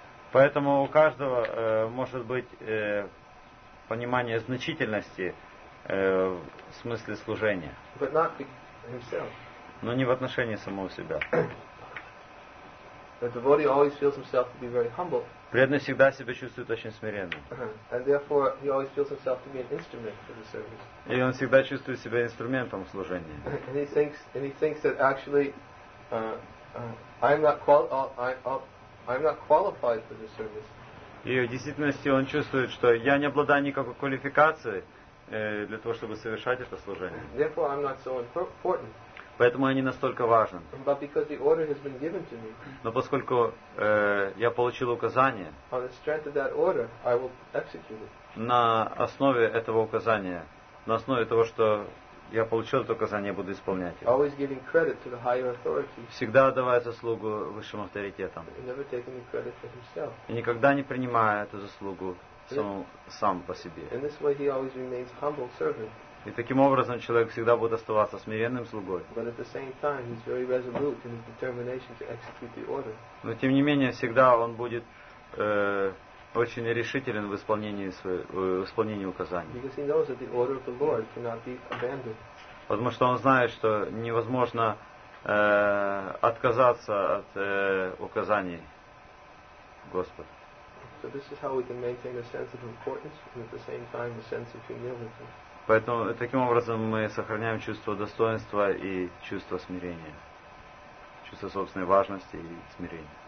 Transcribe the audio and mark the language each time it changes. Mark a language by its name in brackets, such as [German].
[Russian] Поэтому у каждого может быть понимание значительности в смысле служения. [English] But not himself. [Russian] Но не в отношении самого себя. [English] The devotee always feels himself to be very humble. [Russian] Преданный всегда себя чувствует очень смиренным. [English] And therefore he always feels himself to be an instrument for the service. [Russian] И он всегда чувствует себя инструментом служения. [English] And he thinks that actually I'm not qualified for the service. [Russian] И в действительности он чувствует, что я не обладаю никакой квалификацией для того, чтобы совершать это служение. [English] Therefore I'm not so important. [Russian] Поэтому я не настолько важен. [English] But because the order has been given to me, [Russian] но поскольку я получил указание, [English] on the strength of that order, I will execute it. [Russian] На основе этого указания, на основе того, что я получил это указание, я буду исполнять его. [English] Always giving credit to the higher authority. [Russian] Всегда отдавая заслугу высшим авторитетам. [English] Never taking credit for himself. [Russian] И никогда не принимая эту заслугу сам по себе. [English] In this way, he always remains humble servant. [Russian] И таким образом человек всегда будет оставаться смиренным слугой. Но тем не менее всегда он будет очень решителен в исполнении указаний. Потому что он знает, что невозможно отказаться от указаний Господа. [English] So this is how we can maintain a sense of importance and at the same time a sense of humility. [Russian] Поэтому таким образом мы сохраняем чувство достоинства и чувство смирения. Чувство собственной важности и смирения.